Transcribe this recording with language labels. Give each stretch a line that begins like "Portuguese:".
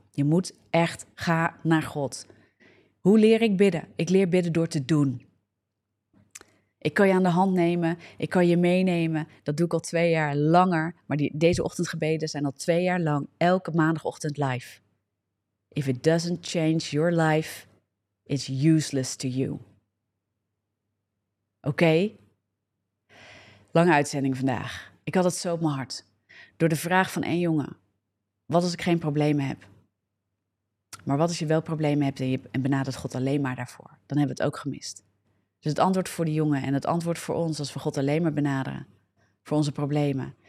Dutch: Je moet echt gaan naar God. Hoe leer ik bidden? Ik leer bidden door te doen. Ik kan je aan de hand nemen, ik kan je meenemen. Dat doe ik al 2 jaar langer. Maar deze ochtendgebeden zijn al 2 jaar lang elke maandagochtend live.
English: If it doesn't change your life, it's useless to you.
Dutch: Oké? Lange uitzending vandaag. Ik had het zo op mijn hart. Door de vraag van 1 jongen. Wat als ik geen problemen heb? Maar wat als je wel problemen hebt en benadert God alleen maar daarvoor? Dan hebben we het ook gemist. Dus het antwoord voor die jongen en het antwoord voor ons als we God alleen maar benaderen voor onze problemen.